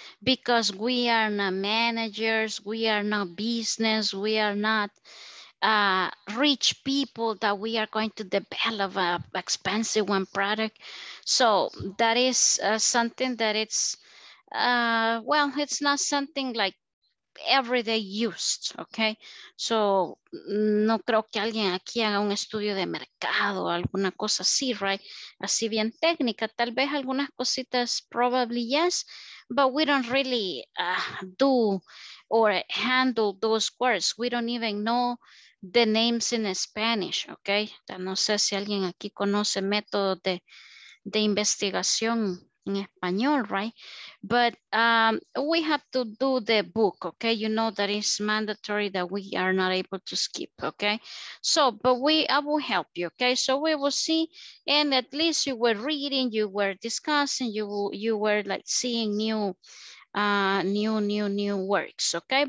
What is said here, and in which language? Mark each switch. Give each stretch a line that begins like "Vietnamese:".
English: Because we are not managers, we are not business, we are not rich people that we are going to develop an expensive one product. So that is something that it's, well, it's not something like everyday used, okay?
Spanish: So no creo que alguien aquí haga un estudio de mercado o alguna cosa así,
English: right?
Spanish: Así bien técnica, tal vez algunas cositas,
English: probably yes, but we don't really do or handle those words. We don't even know the names in Spanish, okay?
Spanish: No sé si alguien aquí conoce método de investigación en español,
English: right? But we have to do the book, okay? You know that it's mandatory that we are not able to skip, okay? So, but I will help you, okay? So we will see, and at least you were reading, you were discussing, you were like seeing new works, okay?